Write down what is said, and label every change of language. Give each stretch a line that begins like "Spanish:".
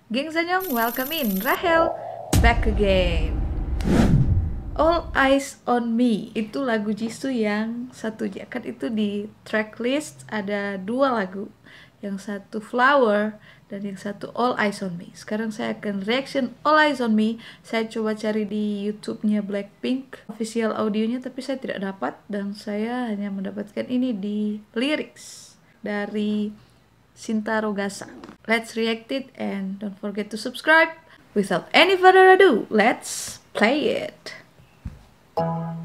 English: Geng Senyum, welcome in Rahel back again.
Indonesian: All Eyes on Me itu lagu Jisoo yang satu jaket itu di tracklist ada dua lagu, yang satu Flower dan yang satu All Eyes on Me. Sekarang saya akan reaction All Eyes on Me. Saya coba cari di YouTube-nya Blackpink official audionya, tapi saya tidak dapat dan saya hanya mendapatkan ini di lyrics dari Sinta Rogasa.
English: Let's react it and don't forget to subscribe. Without any further ado, let's play it. Oh.